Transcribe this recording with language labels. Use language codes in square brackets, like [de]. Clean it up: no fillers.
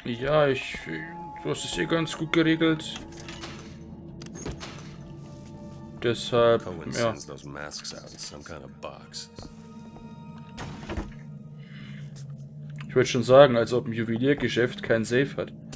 [de] Ja, du hast es hier ganz gut geregelt. Deshalb, Cohen ja. [en] Sends those masks out in some kind of box. [de] Ich würde schon sagen, als ob ein Juweliergeschäft kein Safe hat.